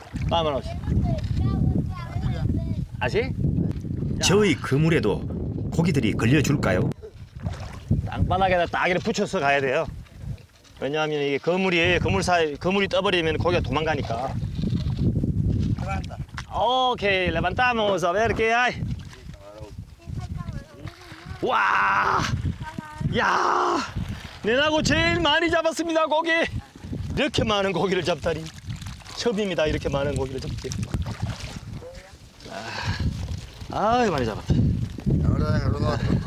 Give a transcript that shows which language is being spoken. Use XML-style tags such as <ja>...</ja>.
<ko>마무리. 네. 아시? 저의 그물에도 고기들이 걸려줄까요? 땅바닥에다 딱 이렇게 붙여서 가야 돼요. 왜냐하면 이게 그물이 그물 사이 그물이 떠버리면 고기가 도망가니까.</ko> <es>오케이, levantamos a ver qué hay.</es> <ko>와! 야! 내나고 제일 많이 잡았습니다, 고기. 이렇게 많은 고기를 잡다니. 처음입니다, 이렇게 많은 고기를 잡기. 아, 많이 잡았다. 그러다.</ko>